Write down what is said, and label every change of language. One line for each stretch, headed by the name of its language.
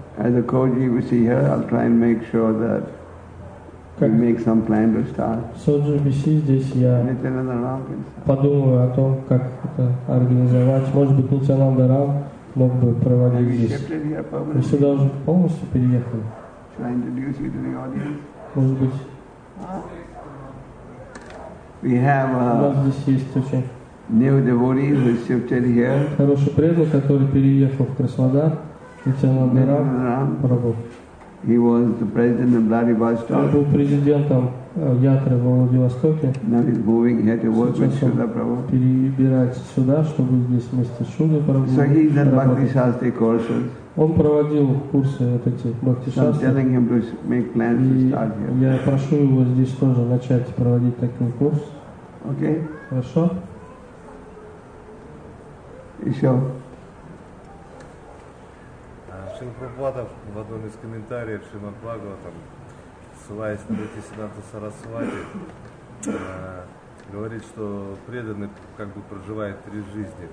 English: As a koji we see here, I'll try and make sure that. We make some plan to start.
Russian: So GBC, здесь я подумаю о том, как это организовать. Может быть, Нитянанда Рам мог бы проводить здесь. Мы сюда уже полностью переехали.
English: Should I introduce you to the audience?
Russian: Может быть. Huh?
English: We have a
Russian: у нас здесь есть очень
English: new devotee who shifted here.
Russian: Хороший преданный, который переехал в Краснодар. Нитянанда Рам пробовал.
English: He was the president of Vladivostok.
Russian: Был президентом ятры в Владивостоке.
English: Now he's moving here to work with Shuddha Prabhu.
Russian: Перебирается сюда, чтобы здесь вместе с Шудой Прабху.
English: So he's in Bhakti Shastri courses.
Russian: Он проводил курсы вот эти Бхакти Шастри.
English: I'm telling him to make plans to start here.
Russian: Я прошу его здесь тоже начать проводить такой курс.
English: Okay.
Russian: Хорошо. Еще. Шрила Прабхупада в одном из комментариев Шримад Бхагаватам, ссылаясь на Бхактисиддханту Сарасвати, говорит, что преданный как бы проживает три жизни.